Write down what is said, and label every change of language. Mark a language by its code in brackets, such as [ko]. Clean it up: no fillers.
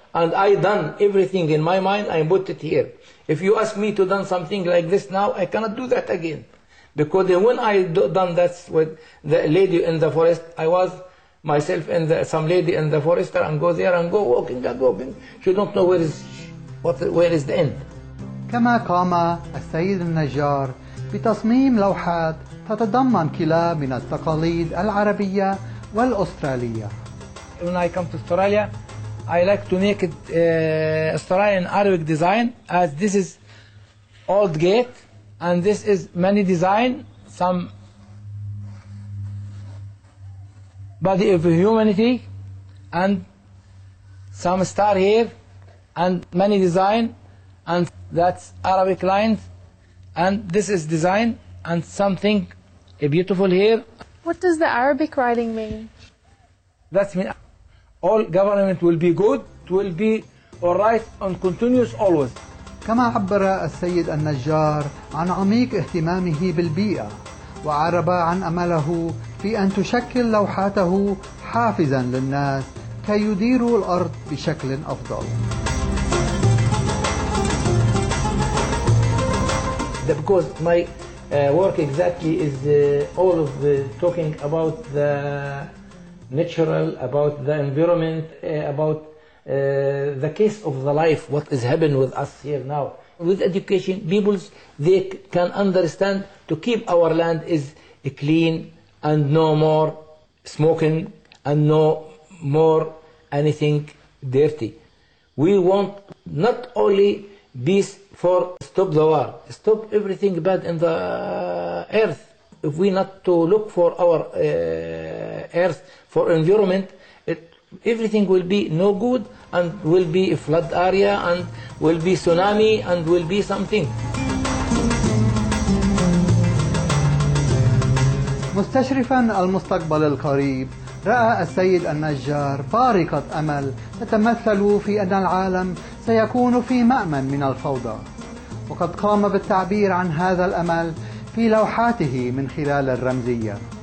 [en] And I done everything in my mind, I put it here. If you ask me to done something like this now, I cannot do that again. Because when I done that with the lady in the forest, I was myself and some lady in the forest and go there and go walking and walking. She don't know where is Where is the end? [ar] كما قام السيد النجار بتصميم لوحات تتضمن كلاب من التقاليد العربية والأسترالية. [en] When I come to Australia, I like to make it Australian Arabic design, as this is old gate, and this is many design, some body of humanity, and some star here. And many design, and that's Arabic lines, and this is design, and something beautiful here. What does the Arabic writing mean? That means all government will be good, will be all right, and continuous always. [ar] كما عبر السيد النجار عن عميق اهتمامه بالبيئة، وعرب عن أمله في أن تشكل لوحاته حافزا للناس كي يديروا الأرض بشكل أفضل. [en] Because my work exactly is all of the talking about the natural, about the environment, about the case of the life, what is happening with us here now. With education, people they can understand to keep our land is clean and no more smoking and no more anything dirty. We want not only peace for stop the war, stop everything bad in the earth. If we not to look for our earth, for environment, everything will be no good and will be a flood area and will be tsunami and will be something. [ar] مستشرفا المستقبل القريب رأى السيد النجار بارقة أمل تتمثل في أن العالم سيكون في مأمن من الفوضى، وقد قام بالتعبير عن هذا الأمل في لوحاته من خلال الرمزية.